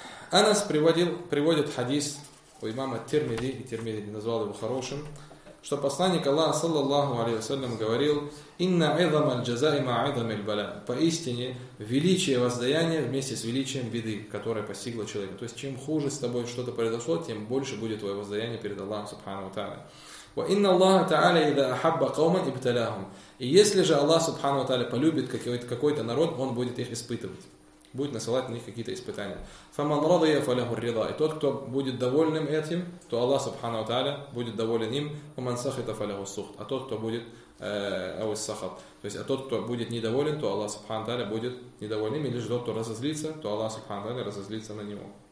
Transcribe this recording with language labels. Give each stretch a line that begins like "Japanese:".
Russian: Анас приводит хадис у имама Тирмиди, и Тирмиди назвал его хорошим, что посланник Аллаха, саллаллаху алейхи ва саллям, говорил:
Arabic: «Инна идам аль-джазай ма идам аль-баля».
Russian: Поистине, величие воздаяния вместе с величием беды, которая постигла человека. То есть, чем хуже с тобой что-то произошло, тем больше будет твое воздаяние перед Аллахом, субхану ва тааля.
Arabic: وإن الله تعالى إذا أحب قوما ابتلاهم.
Russian: И если же Аллах Субхану ва Тааля полюбит какой-то народ, он будет их испытывать, будет насылать на них какие-то испытания.
Arabic: فمن رضي فله الرضا.
Russian: И тот, кто будет довольным этим, то Аллах Субхану ва Тааля будет доволен им.
Arabic: ومن سخط فله السخط.
Russian: А тот, кто будет السخط, то есть а тот, кто будет недоволен, то Аллах Субхану ва Тааля будет недоволен им. Или же тот, кто разозлится, то Аллах Субхану ва Тааля разозлится на него.